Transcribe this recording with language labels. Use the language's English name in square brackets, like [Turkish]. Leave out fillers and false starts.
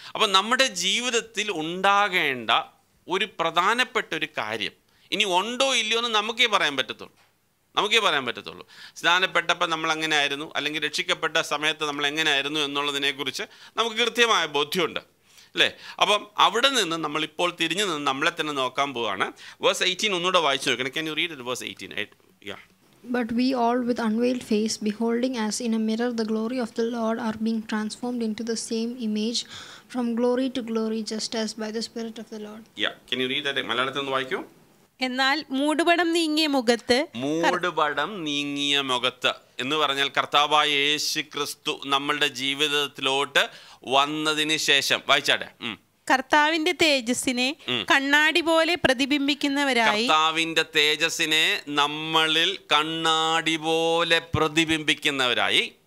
[Malayalam] അപ്പം നമ്മുടെ ജീവിതത്തിൽ ഉണ്ടാകേണ്ട ഒരു പ്രധാനപ്പെട്ട ഒരു കാര്യം ഇനി ഉണ്ടോ ഇല്ലയോ എന്ന് നമുക്കേ പറയാൻ പറ്റത്തുള്ളൂ, നമുക്കേ പറയാൻ പറ്റത്തുള്ളൂ. സ്നാനപ്പെട്ടപ്പോൾ നമ്മൾ എങ്ങനെ ആയിരുന്നു, അല്ലെങ്കിൽ രക്ഷിക്കപ്പെട്ട സമയത്ത് നമ്മൾ എങ്ങനെ ആയിരുന്നു എന്നുള്ളതിനെക്കുറിച്ച് നമുക്ക് കൃത്യമായ ബോധ്യമുണ്ട് അല്ലേ. അപ്പം അവിടെ നിന്ന് നമ്മളിപ്പോൾ തിരിഞ്ഞു നിന്ന് നമ്മളെ തന്നെ നോക്കാൻ പോവുകയാണ്. വേഴ്സ് 18 ഒന്നുകൂടെ വായിച്ചു നോക്കണം. [English] Can you read it, verse 18? Yeah. But we all with unveiled face, beholding as in a mirror the glory of the Lord, are being transformed into the same image from glory to glory, just as by the Spirit of the Lord. Yeah, can you read that in [Malayalam] മലയാളത്തിൽ ഒന്ന് വായിക്കൂ. എന്നാൽ മൂടുപടം നീങ്ങിയ മുഖത്ത്, മൂടുപടം നീങ്ങിയ മുഖത്ത് എന്ന് പറഞ്ഞാൽ കർത്താവായ യേശു ക്രിസ്തു നമ്മളുടെ ജീവിതത്തിലോട്ട് വന്നതിന് ശേഷം. വായിച്ചാട്ടെ. കർത്താവിന്റെ തേജസ്സിനെ കണ്ണാടി പോലെ പ്രതിബിംബിക്കുന്നവരായി, കർത്താവിന്റെ തേജസ്സിനെ നമ്മളിൽ കണ്ണാടി പോലെ പ്രതിബിംബിക്കുന്നവരായി,